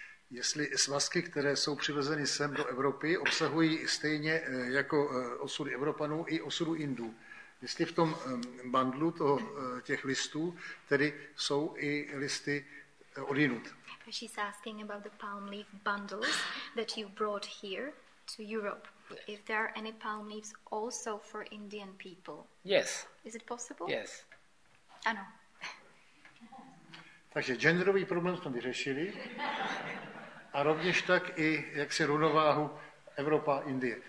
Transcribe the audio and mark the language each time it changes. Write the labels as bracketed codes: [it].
[cs] Jestli svazky, které jsou přivezeny sem do Evropy, obsahují stejně jako osudy Evropanů i osudu Indů. Jestli v tom bandlu toho, těch listů, tedy jsou i listy od jinud. [en] She's asking about the palm leaf bundles that you brought here to Europe. If there are any palm leaves also for Indian people. Yes. Is it possible? Yes. [cs] Ano. Takže genderový problém jsme vyřešili. A rovněž tak i, jak se rovnováhu Evropa, Indie.